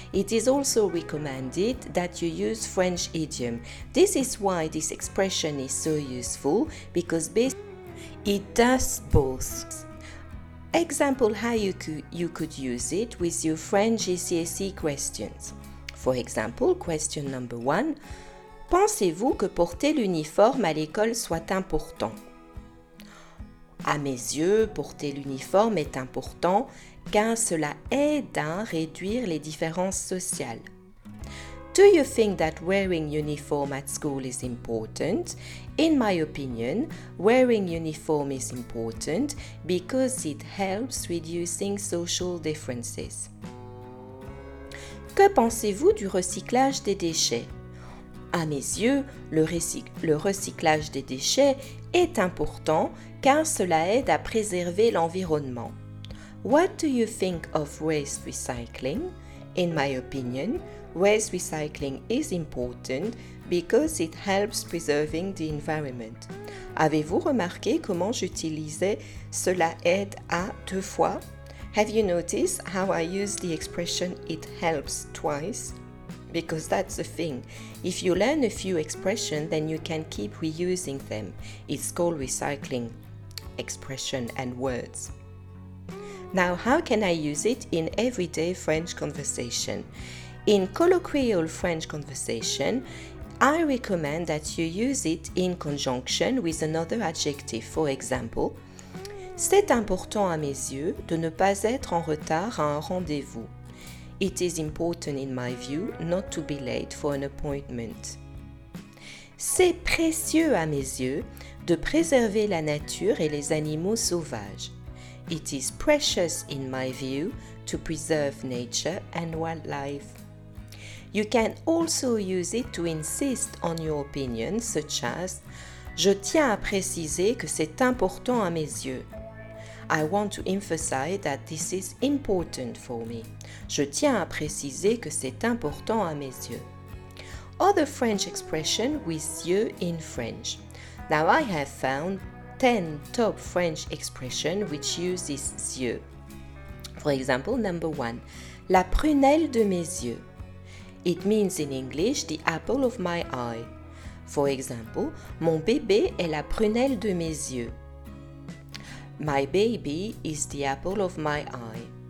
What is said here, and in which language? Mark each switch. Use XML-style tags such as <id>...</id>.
<en>It is also recommended that you use French idiom. This is why this expression is so useful, because it does both. Example how you could use it with your French GCSE questions. For example, question number one,</en> <fr>pensez-vous que porter l'uniforme à l'école soit important? À mes yeux, porter l'uniforme est important car cela aide à réduire les différences sociales.</fr> <en>Do you think that wearing uniform at school is important? In my opinion, wearing uniform is important because it helps reducing social differences.</en> <fr>Que pensez-vous du recyclage des déchets? À mes yeux, le recyclage des déchets est important car cela aide à préserver l'environnement.</fr> <en>What do you think of waste recycling? In my opinion, waste recycling is important because it helps preserving the environment.</en> <fr>Avez-vous remarqué comment j'utilisais cela aide à deux fois?</fr> <en>Have you noticed how I use the expression it helps twice? Because that's the thing. If you learn a few expressions, then you can keep reusing them. It's called recycling expression and words. Now, how can I use it in everyday French conversation? In colloquial French conversation, I recommend that you use it in conjunction with another adjective. For example,</en> <fr>c'est important à mes yeux de ne pas être en retard à un rendez-vous.</fr> <en>It is important in my view not to be late for an appointment.</en> <fr>C'est précieux à mes yeux de préserver la nature et les animaux sauvages.</fr> <en>It is precious in my view to preserve nature and wildlife. You can also use it to insist on your opinion, such as</en> <fr>je tiens à préciser que c'est important à mes yeux.</fr> <en>I want to emphasize that this is important for me.</en> <fr>Je tiens à préciser que c'est important à mes yeux.</fr> <en>Other French expression with yeux in French. Now I have found 10 top French expressions which use this yeux. For example, number one,</en> <fr>la prunelle de mes yeux.</fr> <en>It means in English, the apple of my eye. For example,</en> <fr>mon bébé est la prunelle de mes yeux.</fr> <en>My baby is the apple of my eye.</en>